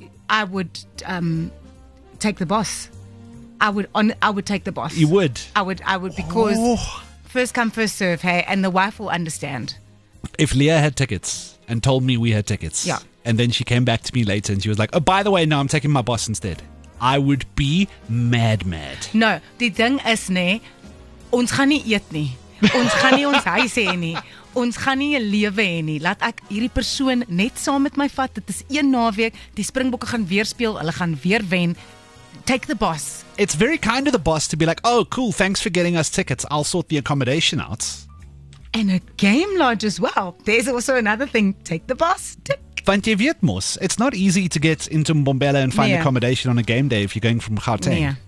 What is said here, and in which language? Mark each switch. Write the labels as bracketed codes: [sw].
[en] I would take the boss. I would take the boss. You would? I would because first come, first serve, hey? And the wife will understand. If Leah had tickets and told me we had tickets. Yeah. And then she came back to me later and she was like, oh, by the way, no, I'm taking my boss instead. I would be mad. No, the thing is, [af] ons gaan nie eet nie. Ons gaan nie ons huis hê nie. Ons gaan nie 'n lewe hê nie. Laat ek hierdie persoon net saam met my vat. Dit is een naweek. Die Springbokke gaan weer speel. Hulle gaan weer wen. [en] Take the boss. It's very kind of the boss to be like, oh, cool, thanks for getting us tickets. I'll sort the accommodation out. And a game lodge as well. There's also another thing. Take the boss. Tick. [af] Want jy weet mos, [en] it's not easy to get into Mbombela and find accommodation on a game day if you're going from Gauteng. [af] Nee.